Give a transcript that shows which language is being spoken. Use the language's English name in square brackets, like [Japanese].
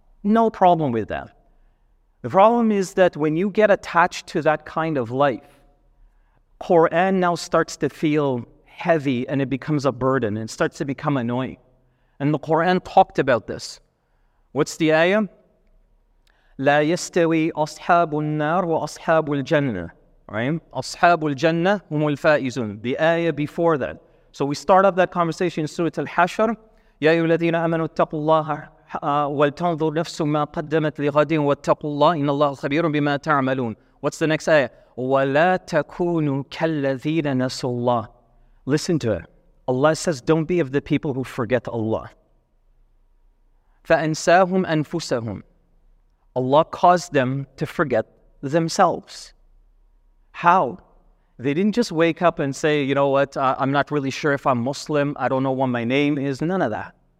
[English] No problem with that. The problem is that when you get attached to that kind of life, Qur'an now starts to feel heavy and it becomes a burden and starts to become annoying. And the Qur'an talked about this. What's the ayah? [Arabic] لا يستوي أصحاب النار وأصحاب الجنة. [English] Right? [Arabic] أصحاب الجنة هم الفائزون. [English] The ayah before that. So we start up that conversation in Surah Al-Hashr. [Arabic] يا أيها الذين آمنوا اتقوا الله ولتنظر نفس ما قدمت لغد واتقوا الله إن الله خبير بما تعملون. [English] What's the next ayah? [Arabic] ولا تكونوا كالذين نسوا الله. [English] Listen to it. Allah says, don't be of the people who forget Allah. [Arabic] فَأَنْسَاهُمْ أَنْفُسَهُمْ. [English] Allah caused them to forget themselves. How? They didn't just wake up and say, you know what, I'm not really sure if I'm Muslim, I don't know what my name is, none of that.